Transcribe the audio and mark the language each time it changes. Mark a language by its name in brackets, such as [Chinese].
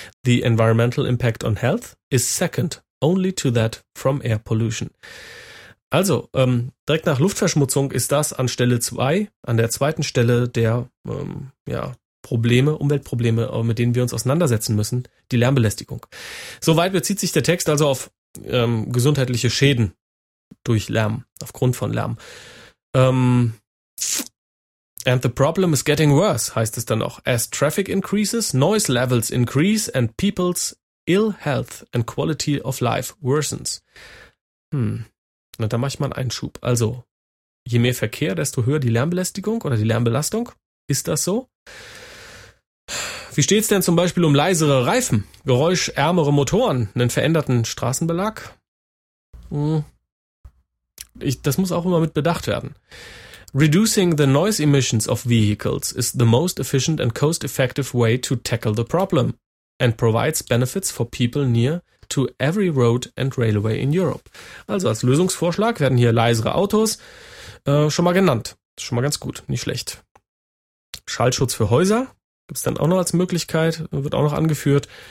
[English] The environmental impact on health is second only to that from air pollution. [German] Also, direkt nach Luftverschmutzung ist das an Stelle 2, an der zweiten Stelle der Probleme, Umweltprobleme, mit denen wir uns auseinandersetzen müssen, die Lärmbelästigung. Soweit bezieht sich der Text also auf gesundheitliche Schäden durch Lärm, aufgrund von Lärm. [English] And the problem is getting worse, [German] heißt es dann auch. [English] As traffic increases, noise levels increase and people's ill health and quality of life worsens. [German] Na, da mache ich mal einen Einschub. Also, je mehr Verkehr, desto höher die Lärmbelästigung oder die Lärmbelastung. Ist das so? Wie steht es denn zum Beispiel um leisere Reifen, geräuschärmere Motoren, einen veränderten Straßenbelag? Das muss auch immer mit bedacht werden. [English] Reducing the noise emissions of vehicles is the most efficient and cost-effective way to tackle the problem and provides benefits for people near to every road and railway in Europe. [German] Also als Lösungsvorschlag werden hier leisere Autos schon mal genannt. Ist schon mal ganz gut, nicht schlecht. Schallschutz für Häuser gibt es dann auch noch als Möglichkeit, wird auch noch angeführt.